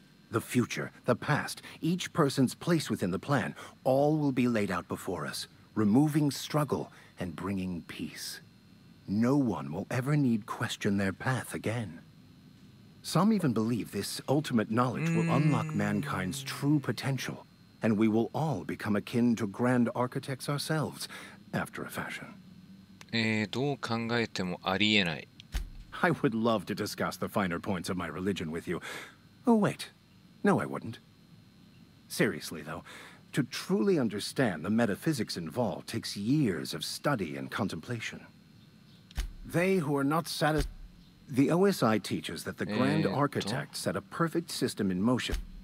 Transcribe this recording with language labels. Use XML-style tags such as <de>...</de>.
<en>The future, the past, each person's place within the plan, all will be laid out before us, removing struggle and bringing peace. No one will ever need question their path again. Some even believe this ultimate knowledge will unlock mankind's true potential, and we will all become akin to grand architects ourselves, after a fashion.</en> <ja>どう考えてもありえない。</ja> <en>I would love to discuss the finer points of my religion with you. Oh, wait. No, I wouldn't. Seriously, though, to truly understand the metaphysics involved takes years of study and contemplation. They who are not satisfied... The OSI teaches that the Grand Architect set a perfect system in motion.</en>